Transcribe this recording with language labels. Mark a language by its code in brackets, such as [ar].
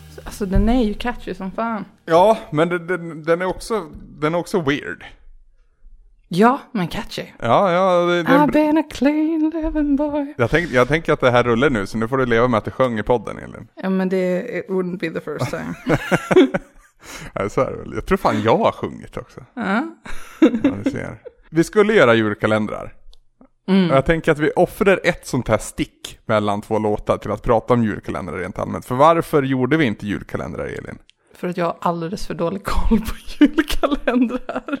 [sv] Så den är ju catchy som fan. Ja, men den är också weird. Ja, men catchy. Ja, ja. [en] I've been a clean living boy. [sv] Jag tänker att det här rullar nu, så nu får du leva med att du sjöng i podden, Elin. Ja, men [en] it wouldn't be the first time. [sv] Ja, så är det väl. Jag tror fan jag har sjungit också. Uh-huh. Ja. Vi ser. Vi skulle göra julkalendrar. Mm. Jag tänker att vi offrar ett sånt här stick mellan två låtar till att prata om julkalendrar rent allmänt. För varför gjorde vi inte julkalendrar, Elin? För att jag har alldeles för dålig koll på julkalendrar.